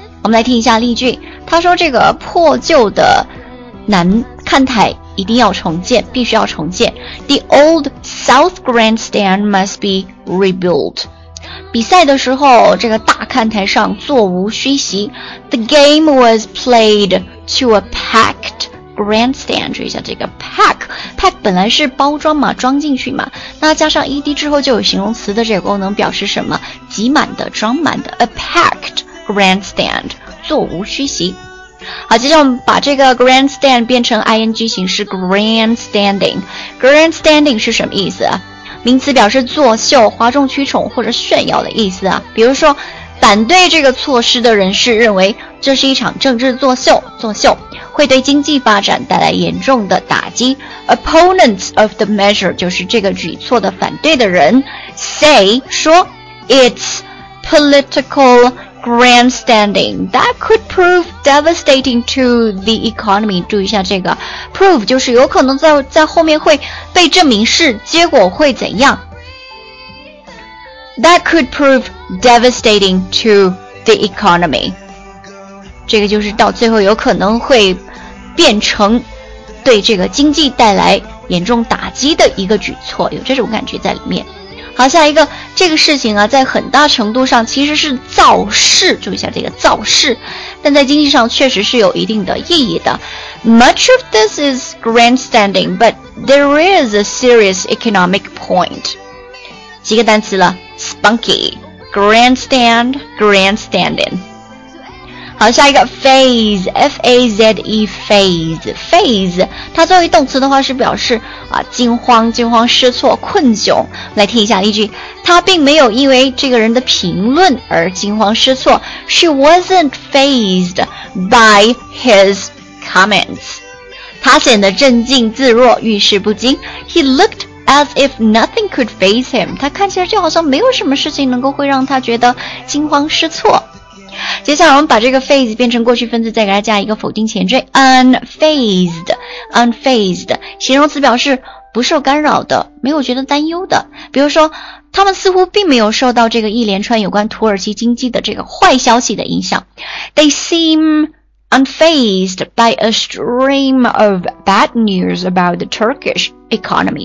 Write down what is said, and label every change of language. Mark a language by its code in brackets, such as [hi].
[zh] 我们来听一下例句，他说这个破旧的南看台一定要重建，必须要重建。 [en] The old south grandstand must be rebuilt. [zh] 比赛的时候这个大看台上座无虚席。 [en] The game was played to a packed grandstand. [zh] 注意一下这个 pack 本来是包装嘛，装进去嘛，那加上 ed 之后就有形容词的这个功能，表示什么？挤满的，装满的。 [en] A packed grandstand, [zh] 座无虚席。好，接着我们把这个 grandstand 变成 ing 形式 grandstanding。 grandstanding 是什么意思？名词表示作秀、哗众取宠或者炫耀的意思啊。比如说反对这个措施的人士认为这是一场政治作秀，作秀会对经济发展带来严重的打击。 [en] opponents of the measure [zh] 就是这个举措的反对的人 [en] say [zh] 说 [en] it's political grandstanding that could prove devastating to the economy. [zh] 注意一下这个 prove 就是有可能 在后面会被证明是结果会怎样。 [en] That could prove devastating to the economy. [zh] 这个就是到最后有可能会变成对这个经济带来严重打击的一个举措，有这种感觉在里面。好，下一个，这个事情啊，在很大程度上其实是造势，注意一下这个造势，但在经济上确实是有一定的意义的。 [en] Much of this is grandstanding, but there is a serious economic point. [zh] 几个单词了 ,spunky, grandstand, grandstanding. 好，下一个 phase, F-A-Z-E, phase, phase, 它作为动词的话是表示啊，惊慌失措，困窘。来听一下例句，他并没有因为这个人的评论而惊慌失措。 [en] She wasn't fazed by his comments. [zh] 他显得镇静自若，遇事不惊。 [en] He looked as if nothing could faze him. [zh] 他看起来就好像没有什么事情能够会让他觉得惊慌失措。接下来我们把这个 phase 变成过去分词，再给它加一个否定前缀 unfazed 形容词，表示不受干扰的，没有觉得担忧的。比如说他们似乎并没有受到这个一连串有关土耳其经济的这个坏消息的影响。 [en] They seem unfazed by a stream of bad news about the Turkish economy.